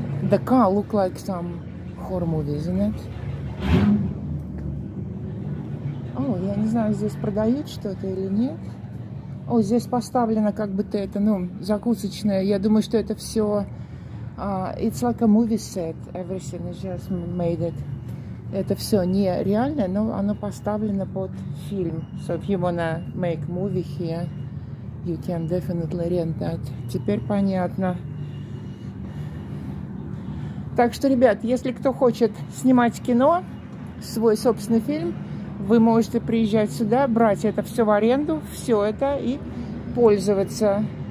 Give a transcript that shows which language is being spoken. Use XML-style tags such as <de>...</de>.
<en>The car look like some horror movies, isn't it?</en> <ru>О, я не знаю, здесь продают что-то или нет. О, здесь поставлено как будто это, ну, закусочное. Я думаю, что это все...</ru> <en>it's like a movie set. Everything is just made it.</en> <ru>Это все не реальное, но оно поставлено под фильм.</ru> <en>So if you wanna make movie here, you can definitely rent that.</en> <ru>Теперь понятно. Так что, ребят, если кто хочет снимать кино, свой собственный фильм, вы можете приезжать сюда, брать это все в аренду, все это и пользоваться.</ru>